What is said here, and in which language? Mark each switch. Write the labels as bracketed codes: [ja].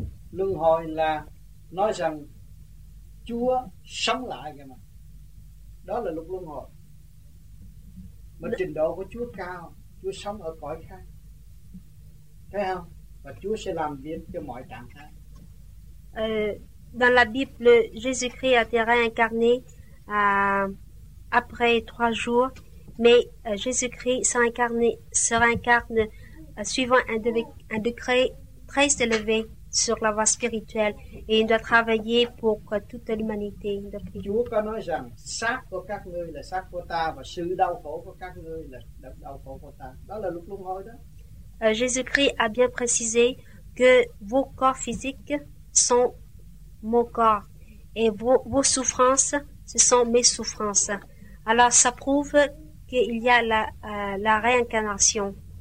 [vi] Luân hồi là nói rằng Chúa sống lại kìa mà. Đó là luật luân hồi. Mà trình độ của Chúa cao, Chúa sống ở cõi khác. Thấy không? Và Chúa sẽ làm việc cho mọi trạng thái. [fr] Dans la Bible, Jésus-Christ a été réincarné après 3 jours, mais Jésus-Christ se réincarne suivant un degré très élevé sur la voie spirituelle et il doit travailler pour toute l'humanité. [vi] Chúa có nói rằng xác của các ngươi là xác của ta và sự đau khổ của các ngươi là đau khổ của ta. Đó là luật luân hồi đó. [fr] Jésus-Christ a bien précisé que vos corps physiques sont mon corps et vos souffrances ce sont mes souffrances. Alors ça prouve qu'il y a la réincarnation.